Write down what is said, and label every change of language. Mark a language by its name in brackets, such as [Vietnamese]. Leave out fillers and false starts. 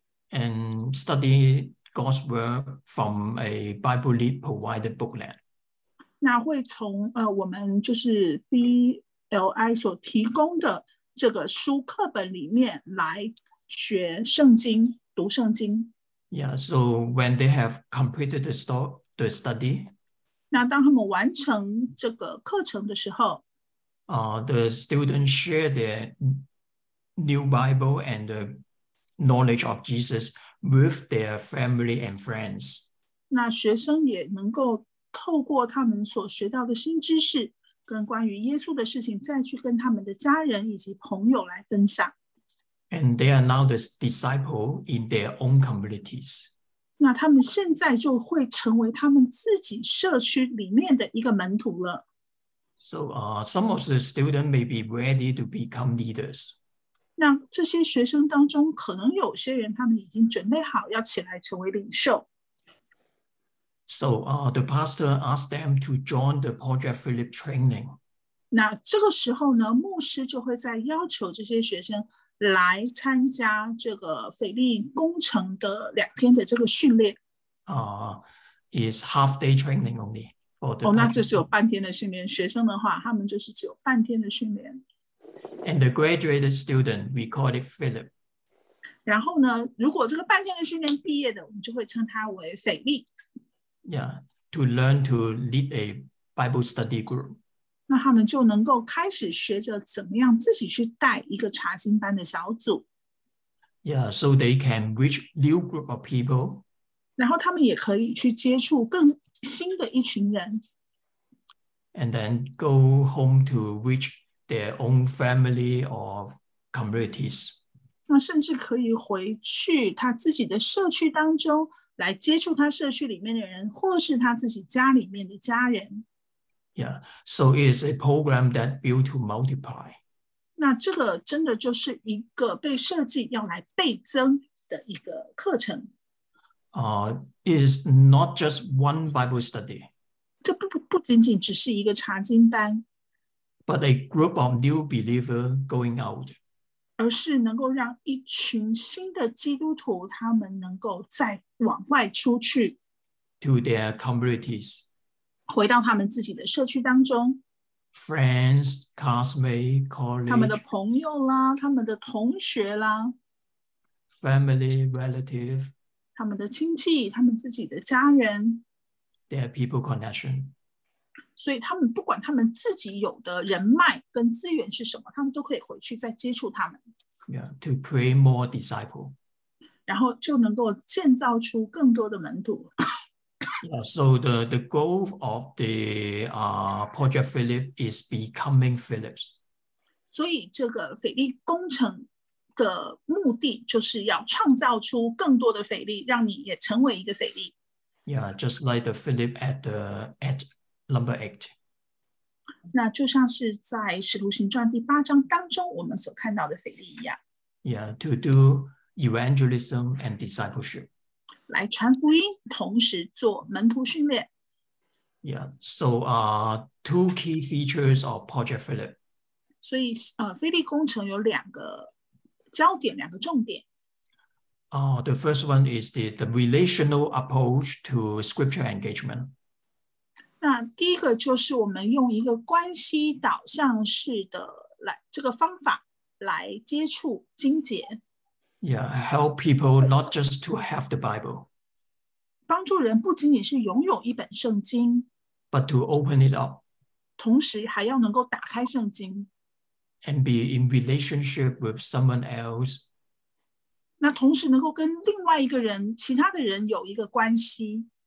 [English] And study God's word from a Bible provided booklet. [Chinese] 那会从我们就是 BLI 所提供的这个书课本里面来学圣经，读圣经。 [English] Yeah, so when they have completed the study, [Chinese] 那当他们完成这个课程的时候, [English] The students share their new Bible and the knowledge of Jesus with their family and friends. [Chinese] 那学生也能够透过他们所学到的新知识跟关于耶稣的事情再去跟他们的家人以及朋友来分享。 [English] And they are now the disciples in their own communities. [Chinese] 那他们现在就会成为他们自己社区里面的一个门徒了。 [English] So, some of the students may be ready to become leaders. [Chinese] 那这些学生当中可能有些人他们已经准备好要起来成为领袖。 [English] So, the pastor asked them to join the Project Philip training. [Chinese] 那这个时候呢，牧师就会在要求这些学生来参加这个腓力工程的两天的这个训练。 [English] Is half day training only for the [Chinese] 那就只有半天的训练。学生的话，他们就是只有半天的训练。 [English] And the graduated student, we call it Philip. [Chinese] 然后呢，如果这个半天的训练毕业的，我们就会称他为腓力。 [English] Yeah, to learn to lead a Bible study group. [Chinese] 那他们就能够开始学着怎么样自己去带一个查经班的小组。 [English] Yeah, so they can reach new group of people. [Chinese] 然后他们也可以去接触更新的一群人。 [English] And then go home to reach their own family or communities. [Chinese] 那甚至可以回去他自己的社区当中来接触他社区里面的人，或是他自己家里面的家人。 [English] Yeah, so it is a program that built to multiply. [Chinese] 那这个真的就是一个被设计要来倍增的一个课程。 [English] It is not just one Bible study. [Chinese] 这不仅仅只是一个查经班。 [English] But a group of new believers going out. [Chinese] 而是能够让一群新的基督徒他们能够再往外出去 [English] to their communities [Chinese] 回到他们自己的社区当中 [English] friends, classmates, colleagues [Chinese] 他们的朋友啦他们的同学啦 [English] family, relative [Chinese] 他们的亲戚他们自己的家人 [English] their people connection [Chinese] 所以他们不管他们自己有的人脉跟资源是什么，他们都可以回去再接触他们。 [English] Yeah, to create more disciples. [Chinese] 然后就能够建造出更多的门徒。 [English] Yeah, so the goal of the Project Philip is becoming Philips. [Chinese] 所以这个腓力工程的目的就是要创造出更多的腓力，让你也成为一个腓力。 [English] Yeah, just like the Philip at the edge. Number eight. [Chinese] 那就像是在《使徒行传》第八章当中我们所看到的腓力一样。 [English] Yeah, to do evangelism and discipleship. [Chinese] 来传福音，同时做门徒训练。 [English] Yeah, so two key features of Project Philip. [Chinese] 所以腓力工程有两个焦点，两个重点。 [English] The first one is the relational approach to scripture engagement. [Chinese] 那第一个就是我们用一个关系导向式的来这个方法来接触经节。 [English] Yeah, help people not just to have the Bible. [Chinese] 帮助人不仅仅是拥有一本圣经 [English] ，but to open it up. [Chinese] 同时还要能够打开圣经 [English] ，and be in relationship with someone else. [Chinese] 那同时能够跟另外一个人、其他的人有一个关系